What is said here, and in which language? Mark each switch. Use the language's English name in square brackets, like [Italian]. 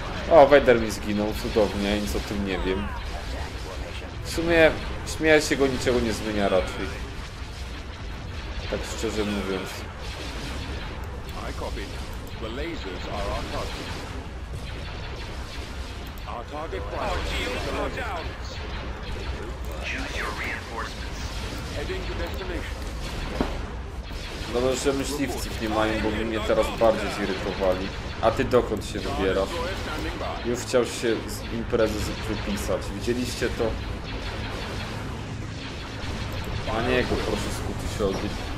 [Polish] O, Vader mi zginął, cudownie, nic o tym nie wiem. sumie śmierć jego niczego nie zmienia raczej. Tak szczerze mówiąc. [English] I copy. The lasers are our target. Our target fire. Our shields are down. Choose your reinforcements. Heading to destination. [Polish] Dobrze, że myśliwców nie mają, bo by mnie teraz bardziej zirytowali. A ty dokąd się wybierasz? Już chciał się z imprezy wypisać. Widzieliście to? Na niego proszę skupić się ogień.